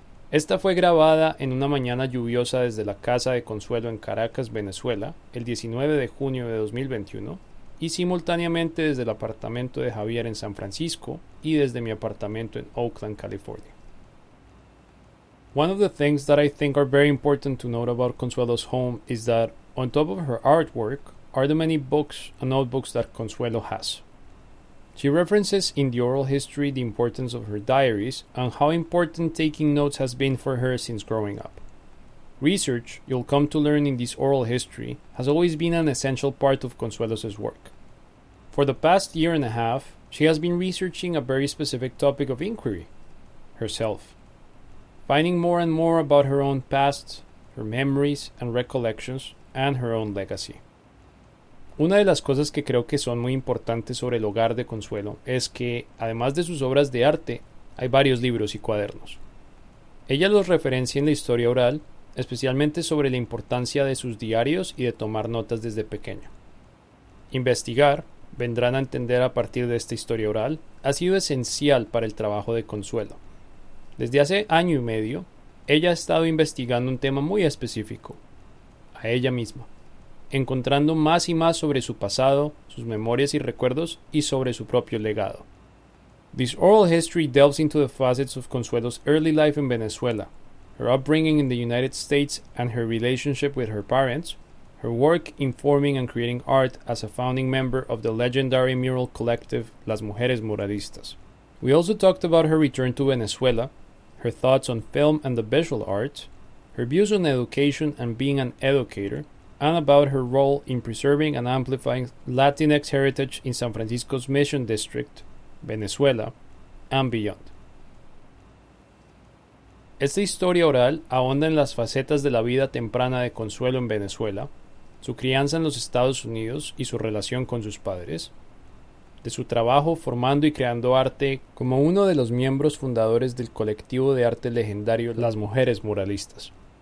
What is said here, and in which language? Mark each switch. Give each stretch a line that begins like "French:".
Spanish: Esta fue grabada en una mañana lluviosa desde la casa de Consuelo en Caracas, Venezuela, el 19 de junio de 2021, y simultáneamente desde el apartamento de Javier en San Francisco y desde mi apartamento en Oakland, California.
English: One of the things that I think are very important to note about Consuelo's home is that, on top of her artwork, are the many books and notebooks that Consuelo has. She references in the oral history the importance of her diaries and how important taking notes has been for her since growing up. Research, you'll come to learn in this oral history, has always been an essential part of Consuelo's work. For the past year and a half, she has been researching a very specific topic of inquiry, herself. Finding more and more about her own past, her memories and recollections, and her own legacy.
Spanish: Una de las cosas que creo que son muy importantes sobre el hogar de Consuelo es que, además de sus obras de arte, hay varios libros y cuadernos. Ella los referencia en la historia oral, especialmente sobre la importancia de sus diarios y de tomar notas desde pequeño. Investigar, vendrán a entender a partir de esta historia oral, ha sido esencial para el trabajo de Consuelo. Desde hace año y medio, ella ha estado investigando un tema muy específico, a ella misma, encontrando más y más sobre su pasado, sus memorias y recuerdos, y sobre su propio legado.
English: This oral history delves into the facets of Consuelo's early life in Venezuela, her upbringing in the United States and her relationship with her parents, her work in forming and creating art as a founding member of the legendary mural collective Las Mujeres Muralistas. We also talked about her return to Venezuela, her thoughts on film and the visual arts, her views on education and being an educator, and about her role in preserving and amplifying Latinx heritage in San Francisco's Mission District, Venezuela, and beyond.
Spanish: Esta historia oral ahonda en las facetas de la vida temprana de Consuelo en Venezuela, su crianza en los Estados Unidos y su relación con sus padres, de su trabajo formando y creando arte como uno de los miembros fundadores del colectivo de arte legendario Las Mujeres Muralistas.